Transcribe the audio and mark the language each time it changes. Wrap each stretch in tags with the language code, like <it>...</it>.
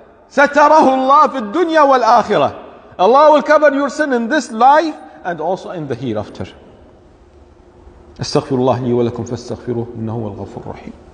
<ar>ستره الله في الدنيا والآخرة.</ar> <en>Allah will cover your sin in this life and also in the hereafter.</en> <ar>أستغفر الله لي ولكم فاستغفروه إنه هو الغفور الرحيم.</ar>